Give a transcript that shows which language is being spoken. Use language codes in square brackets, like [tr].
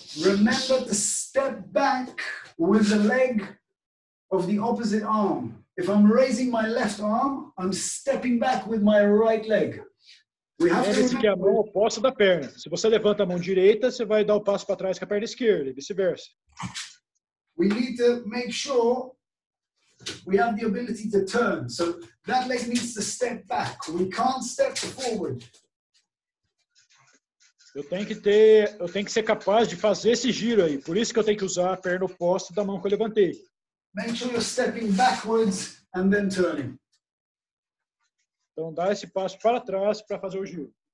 [en] Remember to step back with the leg of the opposite arm. If I'm raising my left arm, I'm stepping back with my right leg. We have to remember. [pt] Que é a mão oposta da perna. Se você levanta a mão direita, você vai dar o passo para trás com a perna esquerda, e vice-versa. [en] We need to make sure we have the ability to turn. So that leg needs to step back. We can't step forward. [pt] Eu tenho que ser capaz de fazer esse giro aí. Por isso que eu tenho que usar a perna oposta da mão que eu levantei. [en] Make sure you're stepping backwards and then turning. [pt] Então dá esse passo para trás para fazer o giro.